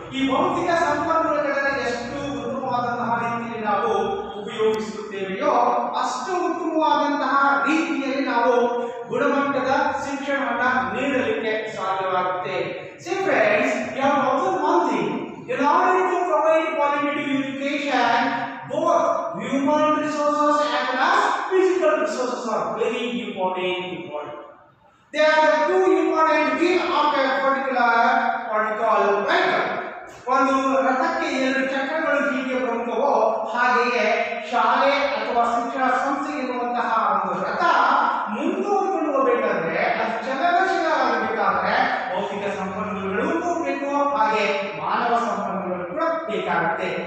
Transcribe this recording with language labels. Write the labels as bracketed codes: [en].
[kn] ಈ ಭೌತಿಕ ಸಂಪನ್ಮೂಲಗಳನ್ನು ಎಷ್ಟು ಉತ್ತಮವಾದಂತಹ ರೀತಿಯಲ್ಲಿ ನಾವು ಉಪಯೋಗಿಸುತ್ತೇವೆಯೋ ಅಷ್ಟು ಉತ್ತಮವಾದಂತಹ ರೀತಿಯಲ್ಲಿ ನಾವು ಗುಣಮಟ್ಟದ ಶಿಕ್ಷಣವನ್ನು ನೀಡಲಿಕ್ಕೆ ಸಾಧ್ಯವಾಗುತ್ತೆ. [en] Same friends, you have observe one thing, in order to provide quality education both human resources and physical resources are very important. They are the two important wheels of a particular particle vehicle. [kn] ಒಂದು ರಥಕ್ಕೆ ಎರಡು ಚಕ್ರಗಳು ಹೀಗೆ ಬರುತ್ತವೋ ಹಾಗೆಯೇ ಶಾಲೆ ಅಥವಾ ಶಿಕ್ಷಣ ಸಂಸ್ಥೆ ಇರುವಂತಹ ಒಂದು ರಥ ಮುಂದುವರಿಕೊಂಡು ಹೋಗಬೇಕಾದ್ರೆ ಅದು ಚಲನಶೀಲವಾಗಬೇಕಾದ್ರೆ ಭೌತಿಕ ಸಂಪನ್ಮೂಲಗಳು ಬೇಕು, ಹಾಗೆ ಮಾನವ ಸಂಪನ್ಮೂಲಗಳು ಕೂಡ ಬೇಕಾಗುತ್ತೆ.